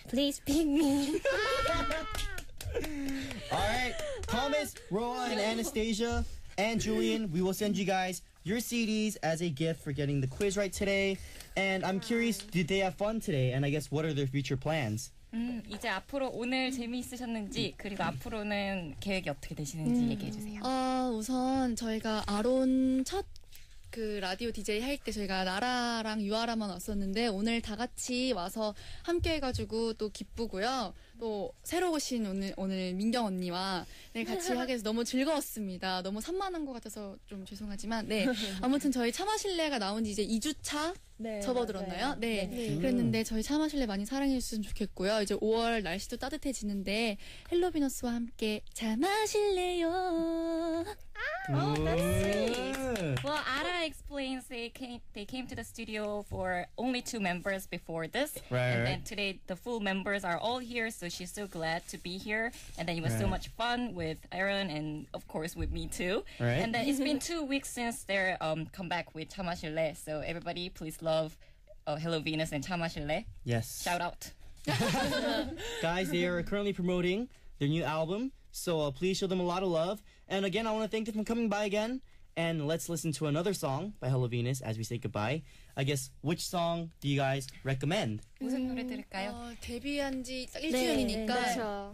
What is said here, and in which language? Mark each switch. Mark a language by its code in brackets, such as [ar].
[en] Please pick me. All right, Thomas, Rohan, Anastasia, and Julian, we will send you guys your CDs as a gift for getting the quiz right today. And I'm curious, did they have fun today? And I guess, what are their future plans? [ko] 이제 앞으로 오늘 재미있으셨는지 그리고 앞으로는 계획이 어떻게 되시는지 얘기해 주세요. 아, 우선 저희가 아론 첫 그 라디오 DJ 할 때 저희가 나라랑 유아라만 왔었는데 오늘 다 같이 와서 함께 해가지고 또 기쁘고요. 또 새로 오신 오늘 민경 언니와 네, 같이 하게 돼서 너무 즐거웠습니다. 너무 산만한 것 같아서 좀 죄송하지만 네 아무튼 저희 참아실레가 나온 지 이제 2주차 네, 접어들었나요? 네. 네. 네. 그랬는데 저희 참아실레 많이 사랑해 주셨으면 좋겠고요. 이제 5월 날씨도 따뜻해지는데 헬로비너스와 함께 참아실레요. [en] Oh, that's sweet. Well, Ara explains they came to the studio for only two members before this. Right. And right. then today the full members are all here, so she's so glad to be here. And then it was right. so much fun with Aron and of course with me too. Right. And then it's been 2 weeks since their comeback with 참아실레. So everybody please love Hello Venus and 참아실레. Yes. Shout out. Guys, they are currently promoting their new album. So please show them a lot of love. And again, I want to thank them for coming by again. And let's listen to another song by Hello Venus as we say goodbye. I guess, which song do you guys recommend? [ko] 무슨 노래 들을까요? 데뷔한 지 딱 1주년이니까